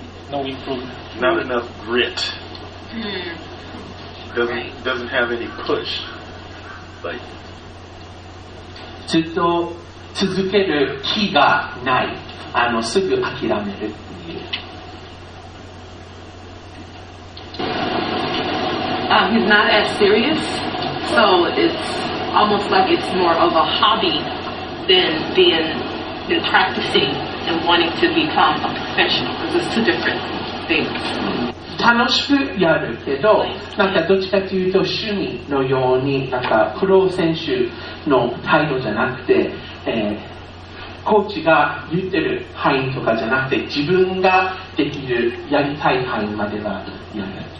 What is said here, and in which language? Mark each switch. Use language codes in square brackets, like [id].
[en] No improvement. Not enough grit. Doesn't have any push. Like. [ja] ずっと続ける気がない。すぐ諦める。 [en] He's not as serious, so it's almost like it's more of a hobby than being practicing. And wanting to become a professional because it's two different things. [ja] 楽しくやるけど、なんかどっちかというと趣味のようになんかプロ選手の態度じゃなくて、コーチが言ってる範囲とかじゃなくて自分ができるやりたい範囲まではやる。